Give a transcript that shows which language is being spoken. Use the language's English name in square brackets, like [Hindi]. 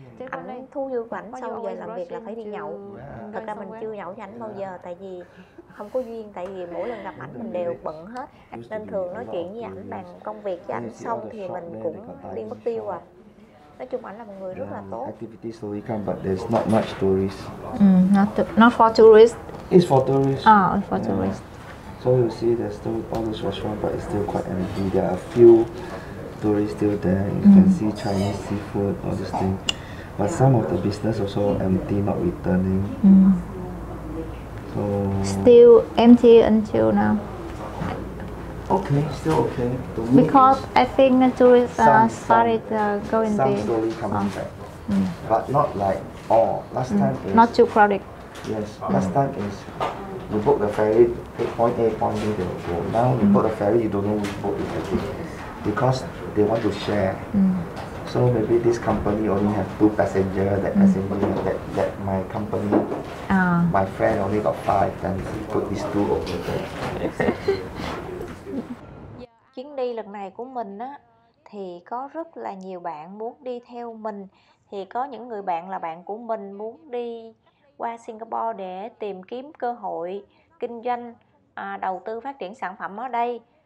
[Vietnamese] Anh thu dư của ảnh sau giờ làm việc là phải đi nhậu. Thật ra mình chưa nhậu với ảnh bao giờ tại vì không có duyên, tại vì mỗi lần gặp ảnh mình đều bận hết nên thường nói chuyện với ảnh bằng công việc với ảnh xong thì mình cũng đi mất tiêu à. Nói chung ảnh là một người rất là tốt. [English] Activity so we can but there's not much tourists. Not for tourists. It's for tourists. For tourists. Yeah. So you see there's still all those restaurants but it's still quite empty. There are a few tourists still there. You can see Chinese seafood, all these things. But some of the business also empty, not returning. So still empty until now. Okay, still okay. Because I think the tourists started going some there. Some slowly coming back. But not like all. Last time is... Not too crowded. Yes, last time is... You book the ferry, point A, point B, they will go. Now you book the ferry, you don't know which boat you have to. Because they want to share. So maybe this company only have two passengers, that passenger, that my company, my friend only got five, then he put these two over there. [Vietnamese] Chuyến đi lần này của mình á thì có rất là nhiều bạn muốn đi theo mình, thì có những người bạn là bạn của mình muốn đi qua Singapore để tìm kiếm cơ hội kinh doanh, đầu tư phát triển sản phẩm ở đây.